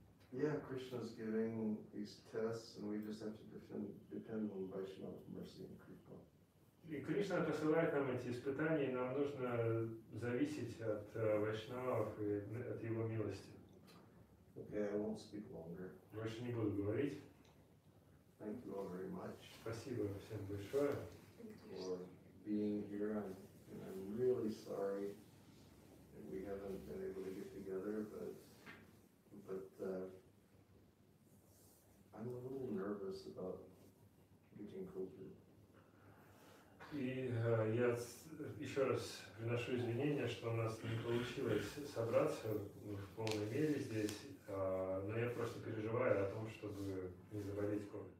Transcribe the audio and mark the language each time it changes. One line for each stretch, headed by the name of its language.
English: Yeah, Krishna's giving these tests, and we just have to depend on Vaishnava's mercy and kripa.
Russian: И Кришна посылает нам эти испытания, и нам нужно зависеть от Вайшнавов и от его милости.
English: Okay, I won't speak longer.
Russian: Больше не буду говорить.
English: Thank you all very much.
Russian: Спасибо всем большое.
English: For being here, I'm really sorry that we haven't been able to get together, but I'm a little nervous about getting COVID.
Russian: И я еще раз приношу извинения, что у нас не получилось собраться в полной мере здесь, но я просто переживаю о том, чтобы не заболеть COVID.